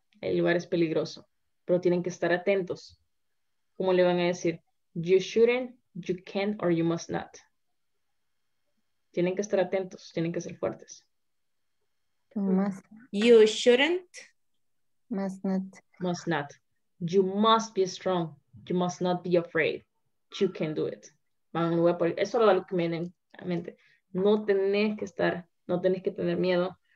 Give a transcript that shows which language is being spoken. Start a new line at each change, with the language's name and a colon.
Spanish: El lugar es peligroso, pero tienen que estar atentos. ¿Cómo le van a decir?
English: You shouldn't, you can't, or you must not.
Spanish: Tienen que estar atentos, tienen que ser fuertes.
English: You shouldn't. Must not. Must not. You must be strong. You must not be afraid. You can do it.
Spanish: Eso es lo que me viene a la mente. No tenés que estar, no tenés que tener miedo.